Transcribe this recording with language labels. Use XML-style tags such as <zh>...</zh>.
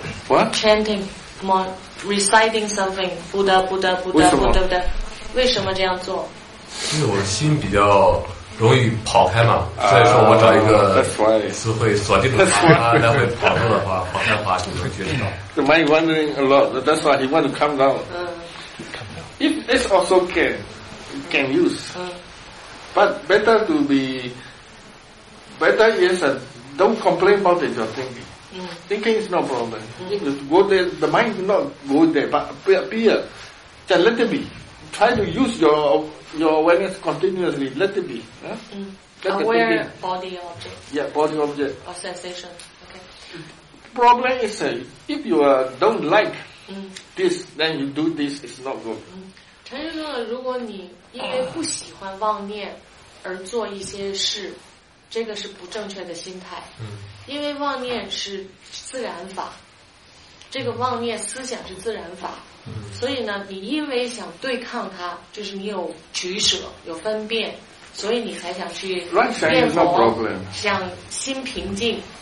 <en>What? Chanting, reciting something. Buddha, Buddha, Buddha, Buddha, Buddha.</en> <zh>为什么这样做？因为我心比较容易跑开嘛，所以说我找一个词汇锁定的词，它来回跑动的话，跑开的话就能觉知到。</zh> <en>The mind wandering a lot, that's why he want to calm down. If it's also can use, but better to be better is that don't complain about it. You're thinking, thinking is no problem. If you go there, the mind not go there, but appear, just let it be. Try to use your awareness continuously. Let it be. Aware body object. Yeah, body object. Or sensation. Okay. Problem is, if you don't like this, then you do this, it's not good.</en> <zh>禅师说了，如果你因为不喜欢妄念而做一些事，这个是不正确的心态。因为妄念是自然法，这个妄念思想是自然法。所以呢，你因为想对抗它，就是你有取舍，有分辨，所以你才想去念佛，想心平静。</zh>